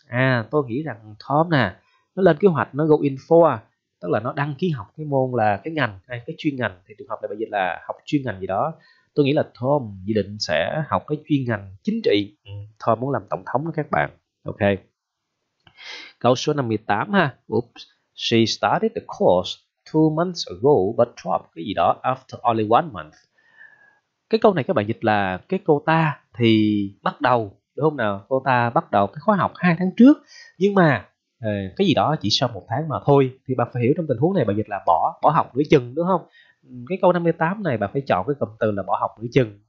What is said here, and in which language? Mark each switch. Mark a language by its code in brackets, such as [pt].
[vi] À, tôi nghĩ rằng Tom nè, nó lên kế hoạch, nó go in for, tức là nó đăng ký học cái môn là cái ngành hay cái chuyên ngành. Thì trường hợp này bây giờ là học chuyên ngành gì đó. Tôi nghĩ là Tom dự định sẽ học cái chuyên ngành chính trị. Tom muốn làm tổng thống đó các bạn. Ok. Câu số 58 ha. Oops. [en] She started the course 2 months ago but dropped [vi] cái gì đó [en] after only 1 month. [vi] Cái câu này các bạn dịch là cái cô ta thì bắt đầu, đúng không nào? Cô ta bắt đầu cái khóa học 2 tháng trước, nhưng mà cái gì đó chỉ sau 1 tháng mà thôi. Thì bạn phải hiểu trong tình huống này bạn dịch là bỏ học nửa chừng, đúng không? Cái câu 58 này bạn phải chọn cái cụm từ là bỏ học nửa chừng.